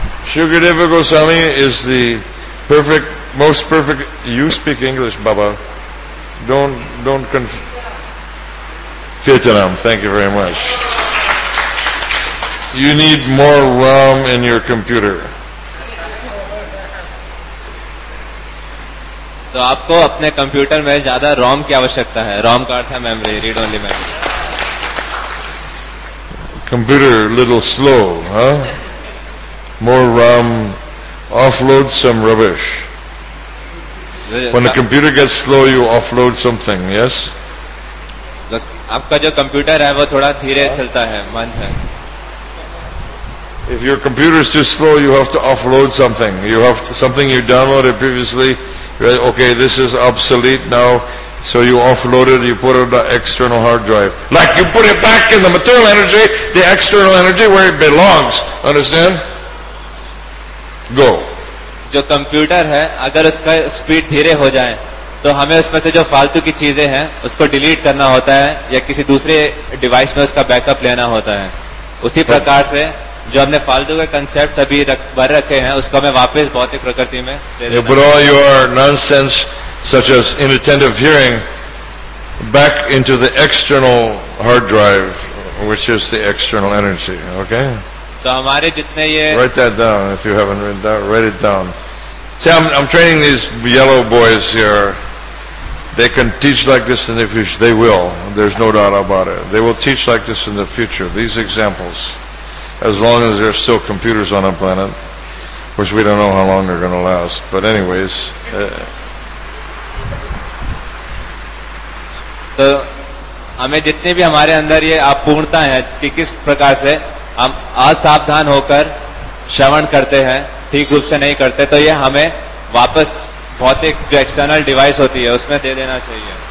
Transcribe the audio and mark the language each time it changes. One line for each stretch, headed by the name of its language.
English: Shukadeva Goswami is the perfect, most perfect. You speak English, Baba. Don't Kirtanam, thank you very much. You need more RAM in your computer.
Hindi: So, आपको अपने computer में ज्यादा ROM की आवश्यकता है. ROM का अर्थ है
English: memory, read only memory. Computer little slow, huh? More RAM. Offload some rubbish. When the computer gets slow, you offload something, yes?
Hindi: आपका जो कंप्यूटर है वो थोड़ा धीरे चलता है मन है.
English: If your computer is too slow, you have to offload something. You have to, something you downloaded previously. Okay, this is obsolete now. So you offload it, you put it on the external hard drive. Like you put it back in the material energy, the external energy where it belongs. Understand? Go.
Hindi: जो computer है अगर उसका speed धीरे हो जाए तो हमें उसमें से जो फालतू की चीजें हैं उसको डिलीट करना होता है या किसी दूसरे डिवाइस में उसका बैकअप लेना होता है. उसी प्रकार से जो हमने फालतू के कॉन्सेप्ट अभी भर रखे हैं उसको हमें वापस भौतिक प्रकृति में दे देना.
English: Your nonsense such as intensive hearing back into the external hard drive which is the external energy. Okay.
Hindi: तो हमारे जितने ये
English: write that down if you haven't written that, write it down. See, I'm training these yellow boys here. They can teach like this in the future. They will. There's no doubt about it. They will teach like this in the future. These examples, as long as there are still computers on our planet, which we don't know how long they're going to last. But anyways.
Hindi: So, हमें जितने भी हमारे अंदर ये अपूर्णता है कि किस प्रकार से हम असावधान होकर श्रवण करते हैं, ठीक रूप से नहीं करते, तो ये हमें वापस भौतिक जो एक्सटर्नल डिवाइस होती है उसमें दे देना चाहिए.